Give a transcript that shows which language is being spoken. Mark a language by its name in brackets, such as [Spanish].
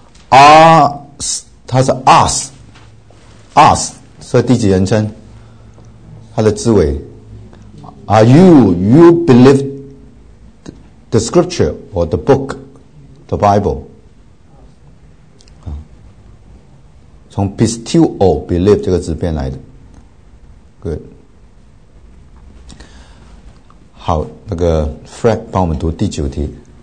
[Chinese] Us， 它是 us， 所以第几人称？它的字尾。 [English] Are you believe the scripture or the book, the Bible? [Chinese] 从 pistuo believe 这个字变来的 ， [English] good。 [Chinese] 好，那个 Fred 帮我们读第九题。